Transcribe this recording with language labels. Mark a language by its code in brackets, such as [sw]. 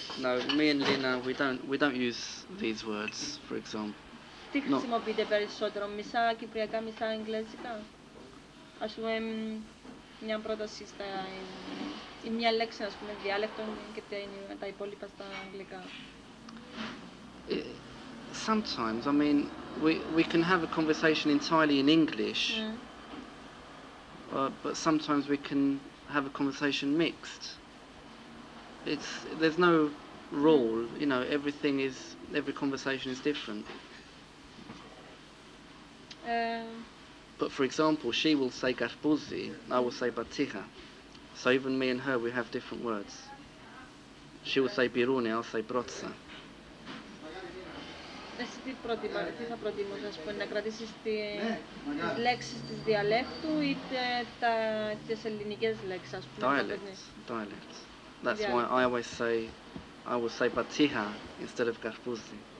[en] No, me and Lina, we don't use these words, for example. [el] Τι χρησιμοποιείτε περισσότερο, μισά κυπριακά, μισά αγγλικά. Ας πούμε, μια πρόταση στα... ή μια λέξη, ας πούμε, διάλεκτο και τα υπόλοιπα στα αγγλικά. [en] Sometimes, I mean, we can have a conversation entirely in English, but sometimes we can have a conversation mixed. There's no rule, you know, every conversation is different. But for example, she will say garbuzi, I will say batija. So even me and her, we have different words. She will say biruni, I'll say brotza. [el] Εσύ τι θα προτιμούσες, να κρατήσεις τις λέξεις της διαλέκτου ή τις ελληνικές λέξεις, ας πούμε. [en] Dialects. That's why I always say, I will say batija instead of garbuzi.